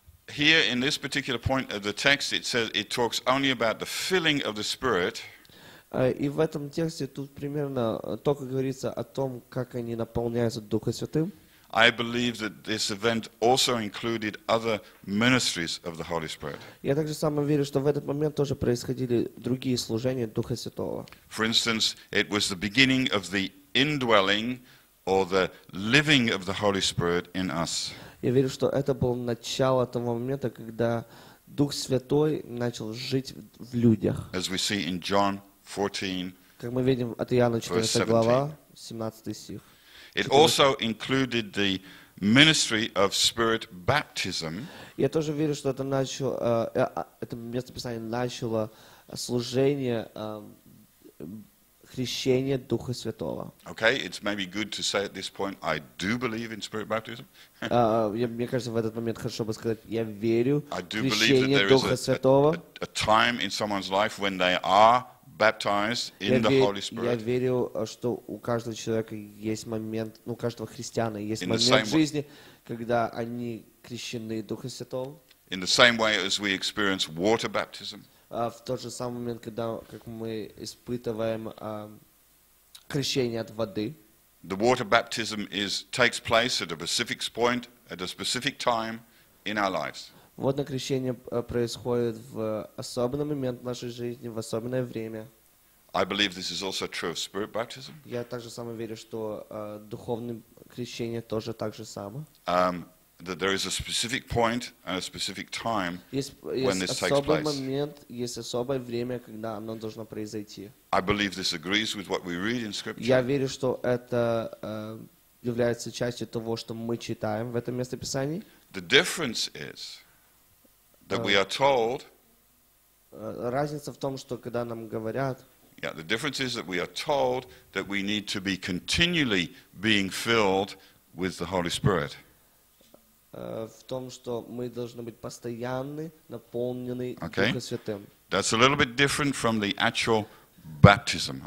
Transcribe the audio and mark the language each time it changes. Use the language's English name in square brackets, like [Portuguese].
[English] Here in this particular point of the text, it says it talks only about the filling of the Spirit. [Russian] И в этом тексте тут примерно только говорится о том, как они наполняются Духом Святым. [English] I believe that this event also included other ministries of the Holy Spirit. [Russian] Я также сам верю, что в этот момент тоже происходили другие служения Духа Святого. [English] For instance, it was the beginning of the indwelling or the living of the Holy Spirit in us. [Russian] Я верю, что это было начало того момента, когда Дух Святой начал жить в людях. [English] As we see in John 14, [Russian] как мы видим от Иоанна 14 глава, 17 стих. [English] It also included the ministry of Spirit baptism. [Russian] Я тоже верю, что это начало, это местописание начало служение крещения Духа Святого. [English] Okay, it's maybe good to say at this point, I do believe in spirit baptism. [Russian] Мне кажется, в этот момент хорошо бы сказать, я верю в крещение Духа Святого. [English] A time in someone's life when they are baptized in the Holy Spirit. [Russian] Я верю, что у каждого человека есть момент, у каждого христианина есть момент в жизни, когда они крещены Духом Святым. [English] In the same way as we experience water baptism. [Russian] В тот же самый момент, когда как мы испытываем крещение от воды. [English] The water baptism takes place at a specific point, at a specific time in our lives. [Russian] Водное крещение происходит в особенный момент в нашей жизни, в особенное время. [English] I believe this is also true of spirit baptism. [Russian] Я также сам верю, что духовное крещение тоже так же само. [English] That there is a specific point and a specific time when this takes place. [Russian] Момент, есть особое время, когда оно должно произойти. [English] I believe this agrees with what we read in Scripture. [Russian] Я верю, что это является частью того, что мы читаем в этом местописании. [English] The difference is that we are told. [Russian] Разница в том, что когда нам говорят. [English] Yeah, the difference is that we are told that we need to be continually being filled with the Holy Spirit. [Russian] В том, что мы должны быть постоянны, наполнены okay. Духом Святым. [English] That's a little bit different from the actual baptism.